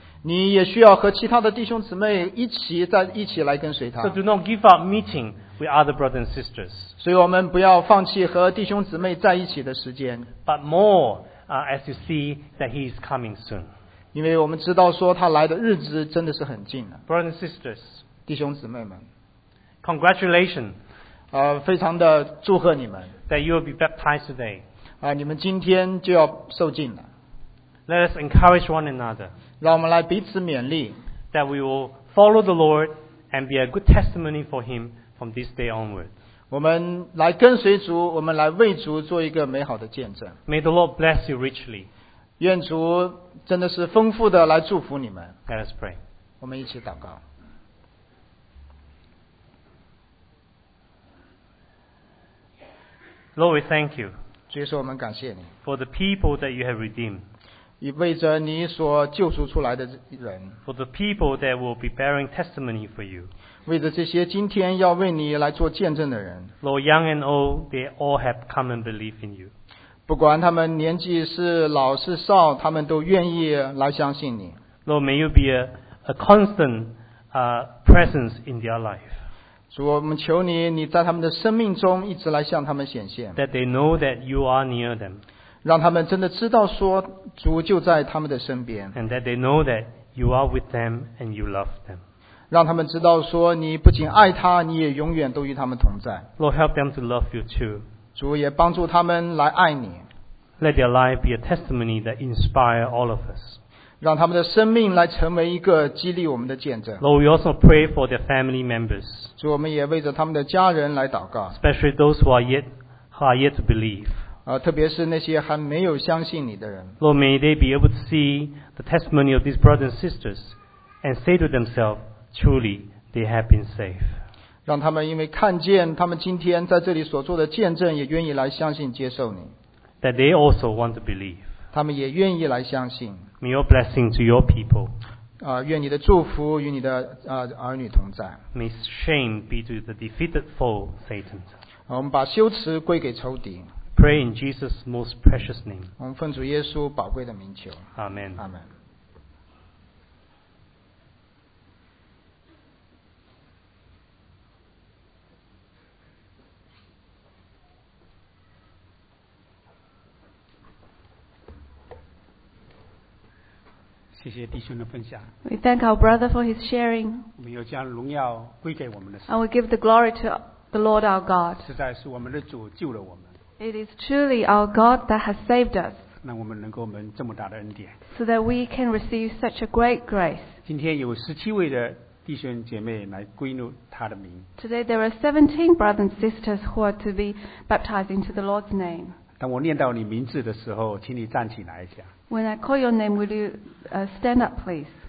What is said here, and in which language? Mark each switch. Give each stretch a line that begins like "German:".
Chinese: 你也需要和其他的弟兄姊妹一起来跟随他。
English: So do not give up meeting with other brothers and sisters。
Chinese: 所以我们不要放弃和弟兄姊妹在一起的时间。
English: But more, as you see that he is coming soon。
Chinese: 因为我们知道说他来的日子真的是很近了。
English: Brothers and sisters，
Chinese: 弟兄姊妹们
English: ，Congratulations，
Chinese: 非常的祝贺你们。
English: That you will be baptized today。
Chinese: 你们今天就要受浸了。
English: Let us encourage one another。
Chinese: 让我们来彼此勉励
English: ，that we will follow the Lord and be a good testimony for Him from this day onwards。
Chinese: 我们来跟随主，我们来为主做一个美好的见证。
English: May the Lord bless you richly。
Chinese: 愿主真的是丰富的来祝福你们。
English: Let us pray。
Chinese: 我们一起祷告。
English: Lord, we thank you。
Chinese: 主耶稣，我们感谢你。
English: For the people that you have redeemed。
Chinese: 以为着你所救赎出来的人
English: ，For the people that will be bearing testimony for you，
Chinese: 为着这些今天要为你来做见证的人
English: ，Lord young and old， they all have come and believe in you，
Chinese: 不管他们年纪是老是少，他们都愿意来相信你
English: ，Lord may you be a constant presence in their life，
Chinese: 主我们求你在他们的生命中一直来向他们显现
English: ，That they know that you are near them。
Chinese: 让他们真的知道说主就在他们的身边
English: and that they know that you are with them and you love them
Chinese: 让他们知道说你不仅爱他你也永远都与他们同在
English: Lord help them to love you too
Chinese: 主也帮助他们来爱你
English: Let their life be a testimony that inspire all of us
Chinese: 让他们的生命来成为一个激励我们的见证
English: Lord we also pray for their family members
Chinese: 主我们也为着他们的家人来祷告
English: especially those who are yet to believe
Chinese: 特别是那些还没有相信你的人
English: Lord may they be able to see the testimony of these brothers and sisters and say to themselves truly they have been saved.
Chinese: 让他们因为看见他们今天在这里所做的见证，也愿意来相信接受你。
English: That they also want to believe.
Chinese: 他们也愿意来相信。
English: May your blessing to your people.
Chinese: 愿你的祝福与你的儿女同在。
English: May shame be to the defeated foe, Satan.
Chinese: 我们把羞耻归给仇敌。
English: Pray in Jesus' most precious name.
Chinese: 我们奉主耶稣宝贵的名求。
English: Amen. Amen.
Chinese: 谢谢弟兄的分享。
English: We thank our brother for his sharing.
Chinese: 我们要将荣耀归给我们的神。
English: And we give the glory to the Lord our God.
Chinese: 实在是我们的主救了我们。
English: It is truly our God that has saved us.
Chinese: 让我们能够蒙这么大的恩典。
English: So that we can receive such a great grace.
Chinese: 今天有17位的弟兄姐妹来归入他的名。
English: Today there are 17 brothers and sisters who are to be baptized into the Lord's name.
Chinese: 当我念到你名字的时候，请你站起来一下。
English: When I call your name, will you stand up, please?